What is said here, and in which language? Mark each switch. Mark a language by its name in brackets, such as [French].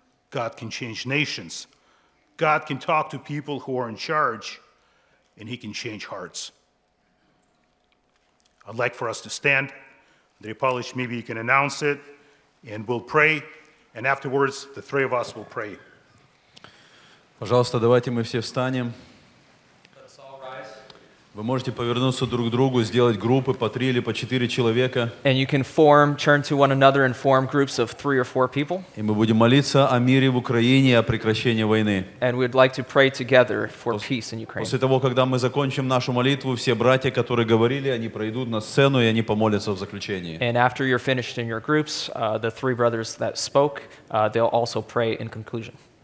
[English] God can change nations. God can talk to people who are in charge, and he can change hearts. I'd like for us to stand. Andrei Pavlovich, maybe you can announce it, and we'll pray. And afterwards, the three of us will pray. [Russian] Пожалуйста, давайте мы все встанем. Вы можете повернуться друг к другу, сделать группы по три или по четыре человека. [English] And you can form, turn to one another and form groups of three or four people. [Russian] И мы будем молиться о мире в Украине и о прекращении войны. [English] And we'd like to pray together for peace in Ukraine. [Russian] После того, когда мы закончим нашу молитву, все братья, которые говорили, они пройдут на сцену и они помолятся в заключении. [English] And after you're finished in your groups, the three brothers that spoke, they'll also pray in conclusion.